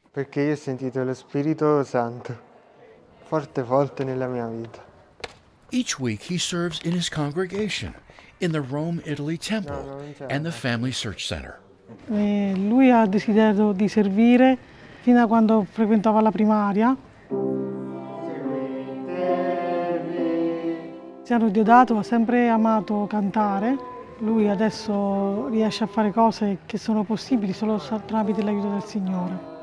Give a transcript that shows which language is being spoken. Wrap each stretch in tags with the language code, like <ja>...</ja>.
<it>Perché io ho sentito lo Spirito Santo forte volte nella mia vita.</it> <en>Each week he serves in his congregation in the Rome, Italy Temple and the Family Search Center.</en> <it>Lui ha desiderato di servire fino a quando frequentava la primaria. Siano Diodato ha sempre amato cantare. Lui adesso riesce a fare cose che sono possibili solo tramite l'aiuto del Signore.</it>